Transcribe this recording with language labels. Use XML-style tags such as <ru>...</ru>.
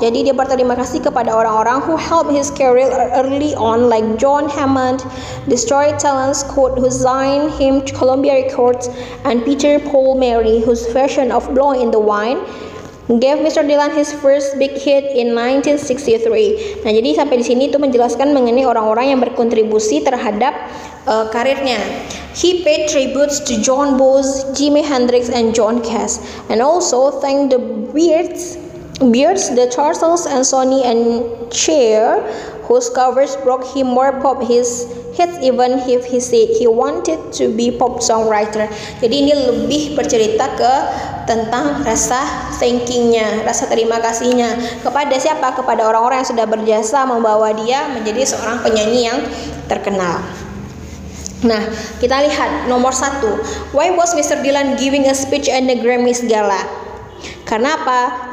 <id>Jadi dia berterima kasih kepada orang-orang</id> <en>who helped his career early on, like John Hammond, the story talents who signed him to Columbia Records, and Peter Paul Mary, whose version of Blowing in the Wind gave Mr. Dylan his first big hit in 1963.</en> <id>Nah, jadi sampai di sini itu menjelaskan mengenai orang-orang yang berkontribusi terhadap karirnya.</id> <en>He paid tributes to John Bowes, Jimi Hendrix, and John Cass, and also thanked the Beards, the Turtles, and Sonny and Cher, whose covers brought him more pop hits, even if he said he wanted to be pop songwriter.</en> <id>Jadi ini lebih bercerita ke tentang rasa thankingnya, rasa terima kasihnya kepada siapa? Kepada orang-orang yang sudah berjasa membawa dia menjadi seorang penyanyi yang terkenal. Nah, kita lihat nomor 1.</id> <en>Why was Mr. Dylan giving a speech at the Grammys gala?</en> <id>Karena apa?</id>